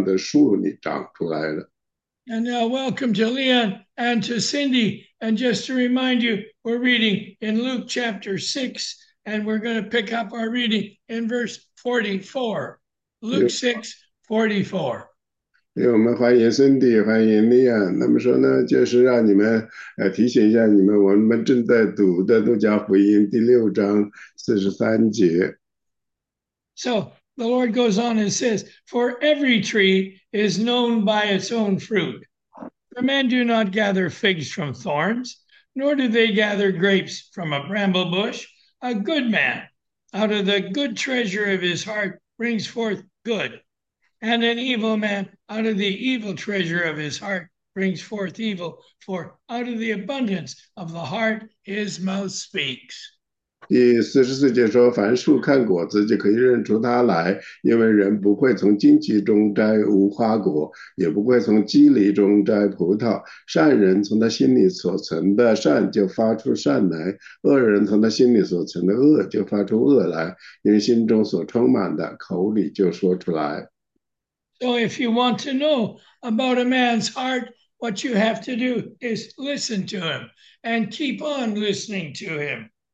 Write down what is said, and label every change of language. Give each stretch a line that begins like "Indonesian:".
Chinese: So这个里面呢，这个逻辑是呢，不管我们看到这样的什么样的果子，我们就知道这个果子是从什么样的树里长出来的。
English: And now welcome to Leon and to Cindy. And just to remind you, we're reading in Luke chapter 6, and we're going to pick up our reading in verse 44. Luke 6, 44.
Chinese: 因为我们欢迎Cindy，欢迎Leon。那么说呢，就是让你们提醒一下你们，我们正在读的《路加福音》第六章43节。
English: So the Lord goes on and says, For every tree is known by its own fruit. For men do not gather figs from thorns, nor do they gather grapes from a bramble bush. A good man, out of the good treasure of his heart, brings forth good. And an evil man, out of the evil treasure of his heart, brings forth evil. For out of the abundance of the heart, his mouth speaks.
Chinese: 第44节说， 凡树看果子就可以认出它来， 因为人不会从荆棘中摘 无花果， 也不会从鸡梨中摘葡萄。善人从他心里所存的善就发出善来， 恶人从他心里所存的恶就发出恶来， 因为心中所充满的， 口里就说出来。
English: So if you want to know about a man's heart, what you have to do is listen to him and keep on listening to him.